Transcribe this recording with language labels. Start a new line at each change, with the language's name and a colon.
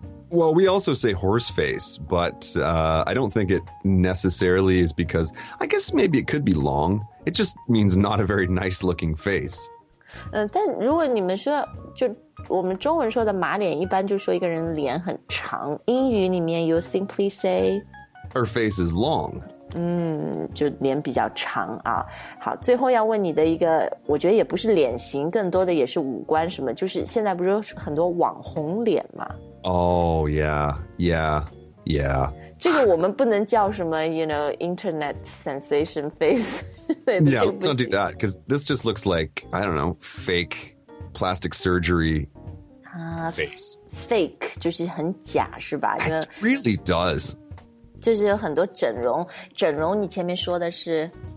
English: Well, we also say horse face, but I don't think it necessarily is because, I guess maybe it could be long. It just means not a very nice looking face.
Chinese: 但如果你们说就我们中文说的马脸一般就说一个人脸很长。英语里面
English: you simply say... Her face is long.
Chinese: 就脸比较长啊。好最后要问你的一个我觉得也不是脸型更多的也是五官什么就是现在不是很多网红脸吗
English: Oh, yeah, yeah, yeah.
Chinese: 这个我们不能叫什么,
English: you know, internet sensation face. Yeah, let's not do that, because this just looks like, I don't know, fake plastic surgery face.
Chinese: Fake, 就是很假是吧?
English: It really does.
Chinese: 就是有很多整容,整容你前面说的是...